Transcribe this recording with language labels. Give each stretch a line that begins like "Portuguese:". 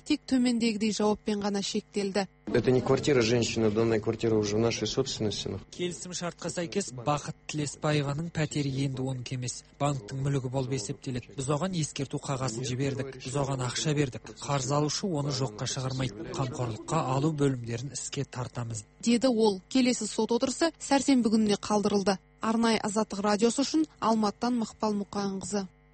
Kazakh: Тек төмендегідей жауаппен ғана шектелді. берді.
Russian: Это не квартира женщины, данная квартира уже в нашей собственности.
Kazakh: Келісім шартқа сәйкес Бақыт Тілеспаеваның пәтері енді оның емес. Банктің мүлігі болып есептеледі. Біз оған ескерту қағазын жібердік. Біз оған ақша бердік. Қарыз алушы оны жоққа шығармайды. Қамқорлыққа алу бөлімдерін іске тартамыз. Деді ол. Келесі сот отырысы сәрсенбі күніне қалдырылды. Арнай Азаттық радиосы үшін Алматыдан Мақпал Мұқанқызы.